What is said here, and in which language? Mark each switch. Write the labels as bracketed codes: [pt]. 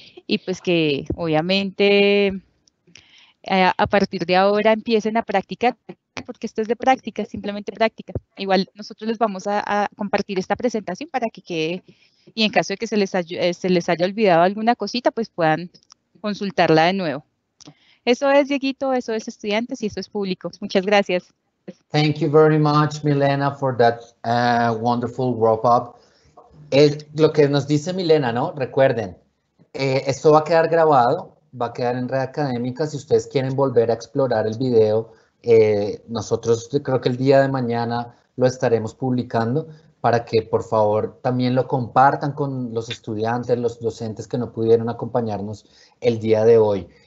[es] Y pues que, obviamente, a partir de ahora empiecen a practicar, porque esto es de práctica, simplemente práctica. Igual nosotros les vamos a compartir esta presentación para que quede. Y en caso de que se les haya olvidado alguna cosita, pues puedan consultarla de nuevo. Eso es, Dieguito, eso es estudiantes y eso es público. Muchas gracias. [en] Thank you very much, Milena, for that wonderful wrap-up. [es] Lo que nos dice Milena, ¿no? Recuerden, esto va a quedar grabado, va a quedar en Red Académica. Si ustedes quieren volver a explorar el video, nosotros creo que el día de mañana lo estaremos publicando para que, por favor, también lo compartan con los estudiantes, los docentes que no pudieron acompañarnos el día de hoy.